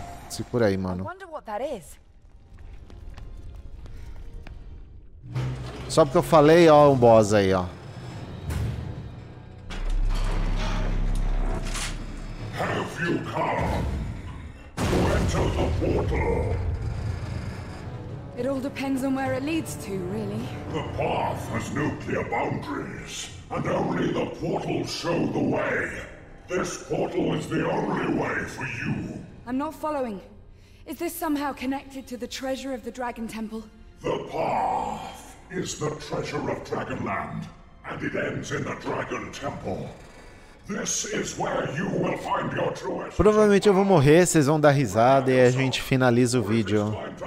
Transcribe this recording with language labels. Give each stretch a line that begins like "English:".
Portuguese: Se por aí, mano. Só porque eu falei, ó, um boss aí, ó.
English: Have you come to enter the portal? It all depends on where it leads to, really. The path has no clear boundaries, and only the portals show the way. This portal is the only way for you. I'm not following. Is this somehow connected to the treasure of the Dragon Temple? The path is the treasure of Dragonland, and it ends in the Dragon Temple. This is where you will find your true.
Portuguese: Provavelmente eu vou morrer, vocês vão dar risada e a gente finaliza o vídeo.